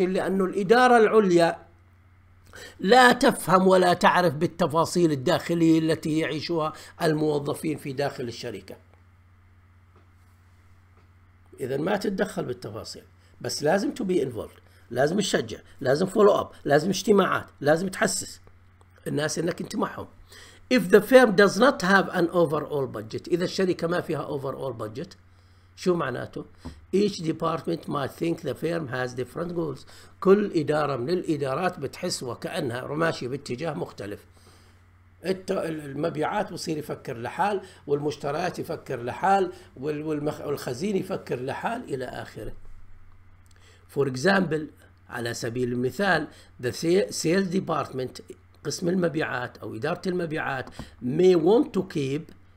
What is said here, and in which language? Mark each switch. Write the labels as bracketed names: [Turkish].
[Arabic] لأن الإدارة العليا لا تفهم ولا تعرف بالتفاصيل الداخلية التي يعيشها الموظفين في داخل الشركة، إذن ما تتدخل بالتفاصيل، بس لازم [English] to be involved، [Arabic] لازم تشجع، لازم [English] follow up، [Arabic] لازم اجتماعات، لازم تحسس الناس انك انت معهم. [English] If the firm does not have an overall budget، [Arabic] إذا الشركة ما فيها [English] overall budget [Arabic] شو معناته؟ [English] Each department might think the firm has different goals. [Arabic] كل إدارة من الإدارات بتحس وكأنها ماشية باتجاه مختلف. المبيعات بصير يفكر لحال، والمشتريات يفكر لحال، والخزين يفكر لحال إلى آخره. [English] For example، [Arabic] على سبيل المثال، [English] the sales department [Arabic] قسم المبيعات أو إدارة المبيعات [English] may want to keep